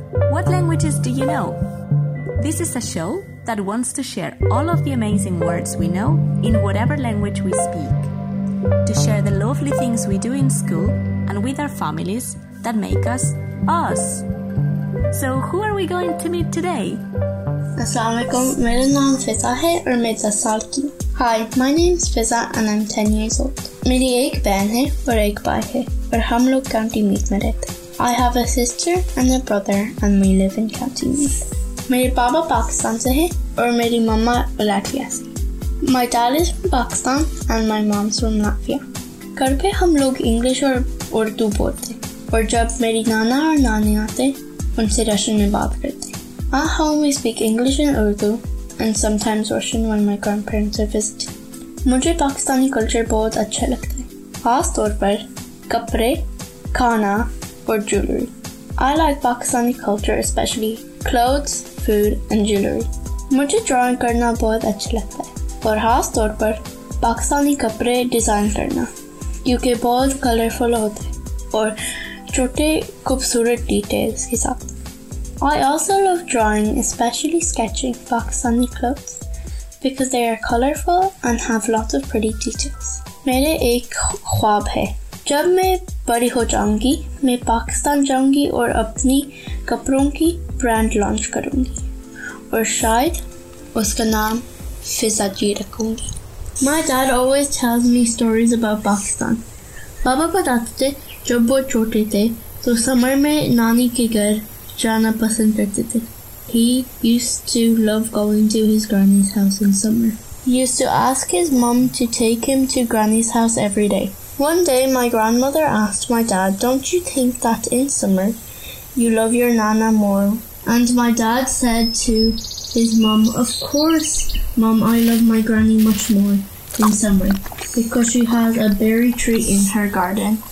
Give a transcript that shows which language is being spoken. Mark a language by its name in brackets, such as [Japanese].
[English] What languages do you know? This is a show that wants to share all of the amazing words we know in whatever language we speak, to share the lovely things we do in school and with our families that make us us. So who are we going to meet today? [Urdu] السلام علیکم، میرے نام فضہ ہے اور میرا سال کی۔ [English] Hi, my name is Fizah and I'm 10 years old. [Urdu] میری ایک بہن ہے اور ایک بھائی ہے۔ پر ہم لوگ County Meath میں رہتے۔ [English] I have a sister and a brother and we live in County Meath. [Urdu] میرے پاپا پاکستان سے ہے اور میری ماما Latvia سے۔ [English] My dad is from Pakistan and my mom's from Latvia. [Urdu] گھر پے ہم لوگ English اور اردو بولتے۔ اور جب میری نانا اور نانی آتے، ان سے Russian میں بات کرتے۔ [English] At home we speak English and Urdu and sometimes Russian when my grandparents are visiting. [Urdu] مجھے پاکستانی culture بہت اچھا لگتا ہے۔ خاص طور پر کپڑے، کھانا اور jewelry۔ [English] I like Pakistani culture especially clothes, food and jewelry. [Urdu] مجھے drawing کرنا بہت اچھا لگتا ہے۔ اور خاص طور پر پاکستانی کپڑے design کرنا۔ کیونکہ بہت colorful ہوتے ہیں اور چھوٹے خوبصورت details کے ساتھ۔ [English] I also love drawing, especially sketching Pakistani clothes because they are colorful and have lots of pretty details. [Urdu] میرے ایک خواب ہے۔ جب میں بڑی ہو جاؤں گی، میں پاکستان جاؤں گی اور اپنی کپڑوں کی brand launch کروں گی۔ اور شاید اس کا نام فضہ جی رکھوں گی۔ [English] My dad always tells me stories about Pakistan. [Urdu] بابا بتاتے تھے، جب وہ چھوٹے تھے، تو summer میں نانی کے گھر جانا پسند کرتے تھے۔ [English] He used to love going to his granny's house in summer. He used to ask his mom to take him to granny's house every day. One day, my grandmother asked my dad, "Don't you think that in summer you love your nana more?" And my dad said to his mom, "Of course, mom, I love my granny much more in summer because she has a berry tree in her garden."